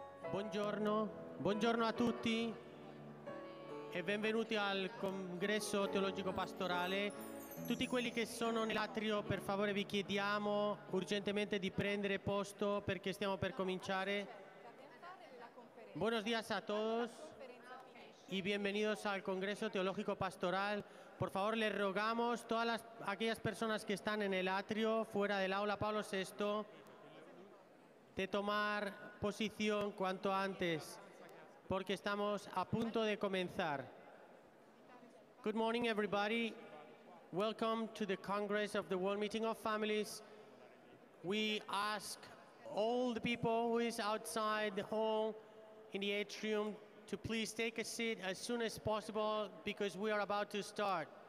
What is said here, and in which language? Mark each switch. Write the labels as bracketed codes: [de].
[it] Buongiorno, buongiorno a tutti e benvenuti al congresso teologico pastorale. Tutti quelli che sono nell'atrio, per favore vi chiediamo urgentemente di prendere posto perché stiamo per cominciare. [es] Buenos días a todos y bienvenidos al congreso teológico pastoral. Por favor, les rogamos todas las aquellas personas que están en el atrio, fuera del aula Pablo VI, de tomar posición cuanto antes, porque estamos a punto de comenzar. [en] Good morning, everybody. Welcome to the Congress of the World Meeting of Families. We ask all the people who is outside the hall in the atrium to please take a seat as soon as possible because we are about to start.